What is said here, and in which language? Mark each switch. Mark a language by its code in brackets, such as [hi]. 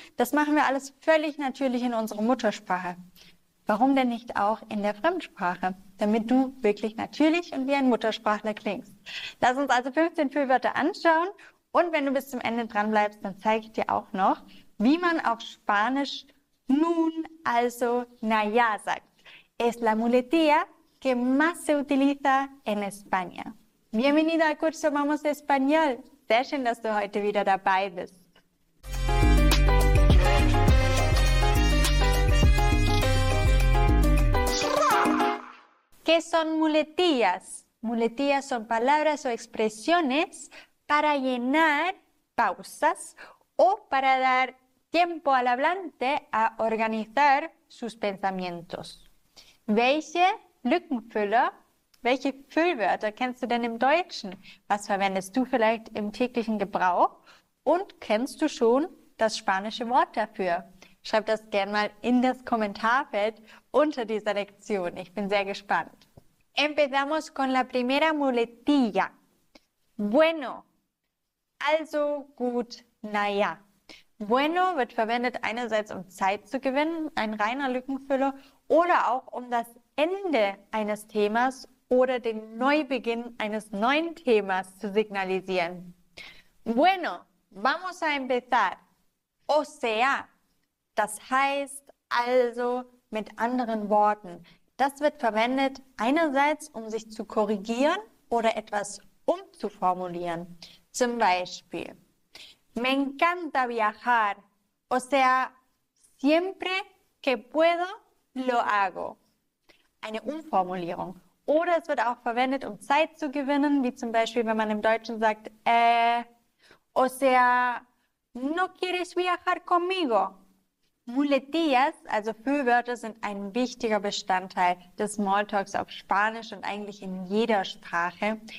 [de] Das machen wir alles völlig natürlich in unserer Muttersprache. Warum denn nicht auch in der Fremdsprache, damit du wirklich natürlich und wie ein Muttersprachler klingst? Lass uns also 15 Füllwörter anschauen und wenn du bis zum Ende dran bleibst, dann zeige ich dir auch noch, wie man auf Spanisch nun, also naja, sagt. [es] Es la muletilla que más se utiliza en España. Bienvenido al curso Vamos Español. [de] Sehr schön, dass du heute wieder dabei bist. [es] ¿Qué son muletillas? Muletillas son palabras o expresiones para llenar pausas o para dar tiempo al hablante a organizar sus pensamientos. [de] Welche Lückenfüller, welche Füllwörter kennst du denn im Deutschen? Was verwendest du vielleicht im täglichen Gebrauch? Und kennst du schon das spanische Wort dafür? Schreib das gerne mal in das Kommentarfeld unter dieser Lektion. Ich bin sehr gespannt. [es] Empezamos con la primera muletilla. [de] Bueno, also gut, naja. Bueno wird verwendet einerseits, um Zeit zu gewinnen, ein reiner Lückenfüller, oder auch um das Ende eines Themas oder den Neubeginn eines neuen Themas zu signalisieren. Bueno, vamos a empezar. O sea, das heißt also mit anderen Worten. Das wird verwendet einerseits, um sich zu korrigieren oder etwas umzuformulieren. Zum Beispiel, me encanta viajar. [es] O sea, siempre que puedo, lo hago. [de] Eine Umformulierung. Oder es wird auch verwendet, um Zeit zu gewinnen, wie zum Beispiel, wenn man im Deutschen sagt, o sea, no quieres viajar conmigo. Muletillas, also Füllwörter, sind ein wichtiger Bestandteil des Smalltalks auf Spanisch und eigentlich in jeder Sprache.